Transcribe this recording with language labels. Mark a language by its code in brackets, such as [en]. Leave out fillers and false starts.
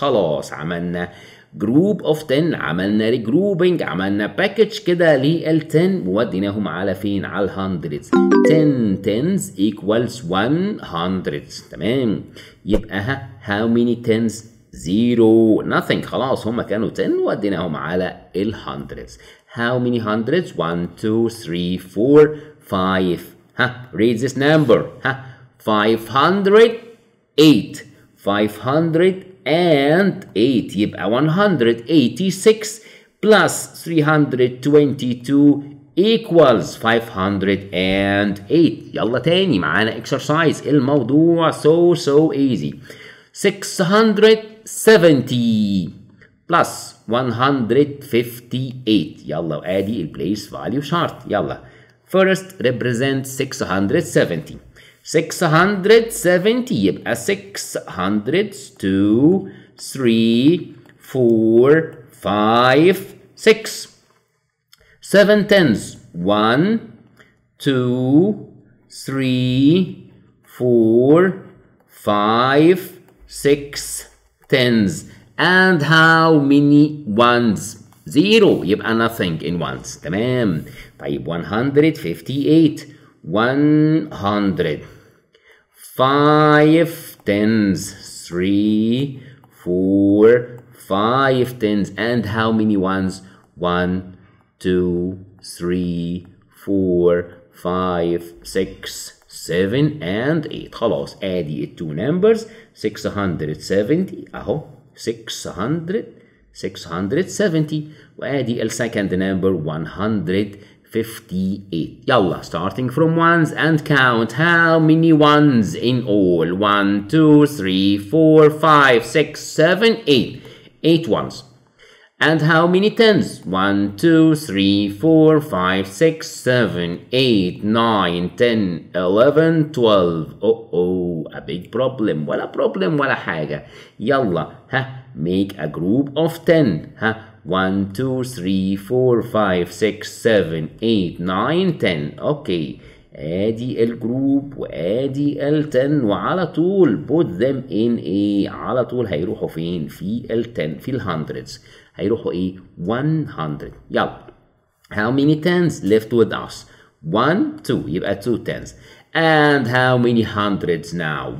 [ar] خلاص, عملنا [en] group of 10, [ar] عملنا regrouping, عملنا package كده لل 10 وديناهم على فين؟ على 100. [en] 10 tens equals 100. [ar] تمام يبقى ها [en] how many tens 0 nothing [ar] خلاص هما كانوا 10 وديناهم على ال 100. [en] How many hundreds 1 2 3 4 5 ها read this number ها 508 500 and 8 يبقى 186 plus 322 equals 508. [ar] يلا تاني معانا exercise. [en] الموضوع so easy. 670 plus 158 يلا وادي ال place value chart. يلا first represent 670. 670 يبقى 6 2 3 4 5 6. 7 tens 1 2 3 4 5 6 tens and how many ones 0 يبقى nothing in ones. تمام طيب 158 100 5 tens 3 4 five tens and how many ones? One, two, three, four, five, six, seven, and eight. [ar] خلاص ادي [en] two numbers. [ar] 670 اهو 670 وادي second number 158. [en] يلا starting from ones and count how many ones in all. 1, 2, 3, 4, 5, 6, 7, 8. 8 ones. And how many tens? 1, 2, 3, 4, 5, 6, 7, 8, 9, 10, 11, 12. A big problem. [ar] ولا problem ولا حاجة. [en] يلا make a group of 10. 1, 2, 3, 4, 5, 6, 7, 8, 9, 10. Okay. [ar] ادي الجروب وادي التن وعلى طول [en] put them in A. [ar] على طول هيروحوا فين؟ في التن في الهندردز. هيروحوا ايه؟ 100. يلا. [en] How many tens left with us? 1, 2. يبقى 2 tens. And how many hundreds now?